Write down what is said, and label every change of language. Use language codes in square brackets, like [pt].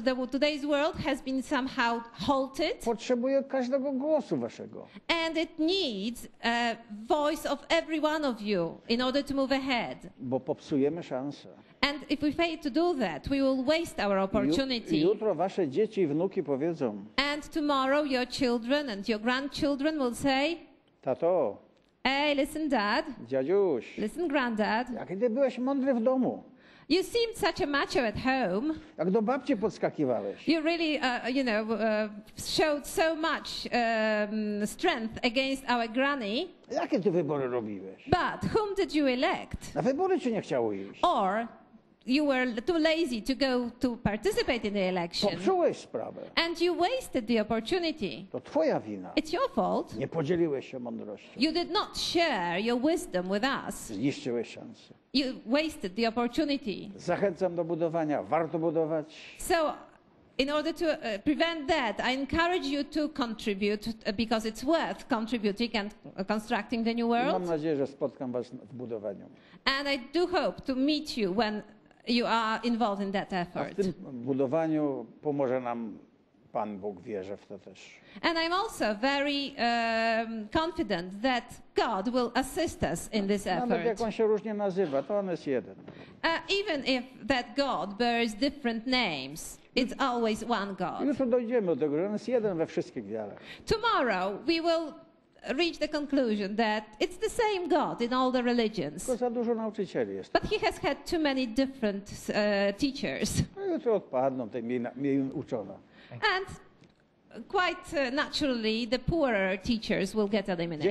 [en] Today's world has been somehow halted. [pl] Potrzebuje każdego głosu waszego. [en] And it needs a voice of every one of you in order to move ahead. [pl] Bo popsujemy szansę. [en] And if we fail to do that, we will waste our opportunity. [pl] Jutro wasze dzieci i wnuki powiedzą. [en] And tomorrow your children and your grandchildren will say. [pl] Tato. [en] Hey, listen, Dad. [pl] Dziaduś. [en] Listen, Granddad. [pl] Jak ty byłeś mądry w domu. [en] You seemed such a macho at home. [pl] Jak do babci podskakiwałeś. [en] You really, showed so much strength against our granny. [pl] Jakie ty wybory robiłeś? [en] But whom did you elect? [pl] Na wybory cię nie chciało iść. [en] Or you were too lazy to go to participate in the election. [pl] Popsułeś sprawę. [en] And you wasted the opportunity. [pl] To twoja wina. [en] It's your fault. [pl] Nie podzieliłeś się mądrością. [en] You did not share your wisdom with us. [pl] Zniszczyłeś szansę. [en] You wasted the opportunity. [pl] Zachęcam do budowania. Warto budować. [en] So, in order to prevent that, I encourage you to contribute because it's worth contributing and constructing the new world. [pl] I mam nadzieję, że spotkam was w budowaniu. [en] And I do hope to meet you when you are involved in that effort. [pl] A w tym budowaniu pomoże nam Pan Bóg, wierzę w to też. [en] And I'm also very confident that God will assist us in this effort. [pl] Nawet jak on się różnie nazywa, to on jest jeden. [en] Even if that God bears different names, it's always one God. [pl] Jutro dojdziemy do tego, że on jest jeden we wszystkich wiarach. [en] Tomorrow we will reach the conclusion that it's the same God in all the religions. [pl] Tylko za dużo nauczycieli jest. [en] But he has had too many different teachers. [pl] Jutro odpadną te mniej uczone. [en] And quite naturally, the poorer teachers will get eliminated.